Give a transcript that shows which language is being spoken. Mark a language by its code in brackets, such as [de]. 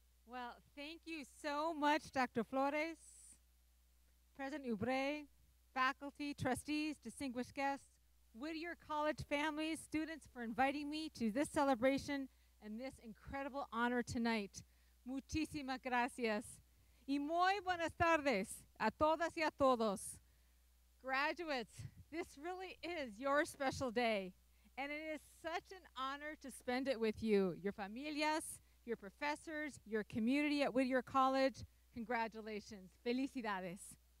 [en] Well, thank you so much, Dr. Flores, President Ubre, faculty, trustees, distinguished guests, Whittier College families, students, for inviting me to this celebration and this incredible honor tonight. [es] Muchísimas gracias. Y muy buenas tardes a todas y a todos. [en] Graduates, this really is your special day, and it is such an honor to spend it with you, your familias, your professors, your community at Whittier College. Congratulations. [es] Felicidades.